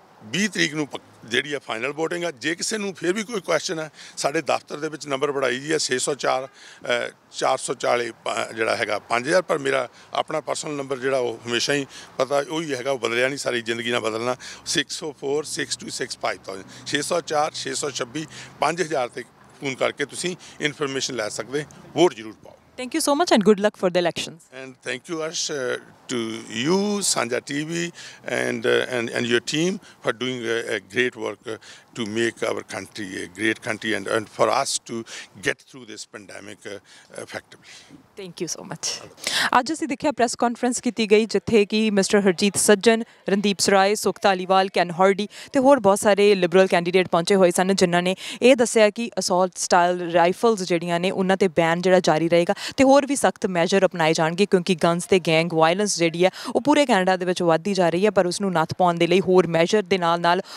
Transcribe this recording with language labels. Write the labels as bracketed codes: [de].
[pa] 20 ਤਰੀਕ ਨੂੰ ਜਿਹੜੀ ਆ ਫਾਈਨਲ ਵੋਟਿੰਗ ਆ ਜੇ ਕਿਸੇ ਨੂੰ ਫਿਰ ਵੀ ਕੋਈ ਕੁਐਸਚਨ ਹੈ ਸਾਡੇ ਦਫ਼ਤਰ ਦੇ ਵਿੱਚ ਨੰਬਰ ਬੜਾਈ ਦੀ ਹੈ 604-440 ਜਿਹੜਾ ਹੈਗਾ 5000 ਪਰ ਮੇਰਾ ਆਪਣਾ ਪਰਸਨਲ ਨੰਬਰ ਜਿਹੜਾ ਉਹ ਹਮੇਸ਼ਾ ਹੀ ਪਤਾ ਉਹੀ ਹੈਗਾ ਉਹ ਬਦਲਿਆ ਨਹੀਂ ਸਾਰੀ ਜ਼ਿੰਦਗੀ ਨਾਲ ਬਦਲਣਾ 604-626-5000 604-626-5000 'ਤੇ ਫੋਨ ਕਰਕੇ ਤੁਸੀਂ ਇਨਫੋਰਮੇਸ਼ਨ ਲੈ ਸਕਦੇ ਵੋਟ ਜ਼ਰੂਰ ਪਾਓ [en] Thank you so much and good luck for the elections. And thank you Arsh to you Sanjha TV and your team for doing a great work to make our country a great country and for us to get through this pandemic effectively. Thank you so much. [pa] ਅੱਜ ਅਸੀਂ ਦੇਖਿਆ press conference ਕੀਤੀ ਗਈ ਜਿੱਥੇ ਕਿ mister Harjeet ਸੱਜਣ, ਰਣਦੀਪ ਸਰਾਏ, ਸੁਖ Dhaliwal, can Hardy ਅਤੇ ਹੋਰ ਬਹੁਤ ਸਾਰੇ ਲਿਬਰਲ ਕੈਂਡੀਡੇਟ ਪਹੁੰਚੇ ਹੋਏ ਸਨ ਜਿਨ੍ਹਾਂ ਨੇ ਇਹ ਦੱਸਿਆ ਕਿ ਅਸੋਲਟ ਸਟਾਈਲ ਰਾਈਫਲਸ ਜਿਹੜੀਆਂ ਨੇ ਉਹਨਾਂ 'ਤੇ ਬੈਨ ਜਿਹੜਾ ਜਾਰੀ ਰਹੇਗਾ ਅਤੇ ਹੋਰ ਵੀ ਸਖ਼ਤ ਮੈਜਰ ਅਪਣਾਏ ਜਾਣਗੇ ਕਿਉਂਕਿ ਗਨਸ ਅਤੇ ਗੈਂਗ ਵਾਇਲੈਂਸ ਜਿਹੜੀ ਹੈ ਉਹ ਪੂਰੇ ਕੈਨੇਡਾ ਦੇ ਵਿੱਚ ਵੱਧਦੀ ਜਾ ਰਹੀ ਹੈ ਪਰ ਉਸਨੂੰ ਨੱਥ ਪਾਉਣ ਦੇ ਲਈ ਹੋਰ ਮੈਜਰ ਦੇ ਨਾਲ ਨਾਲ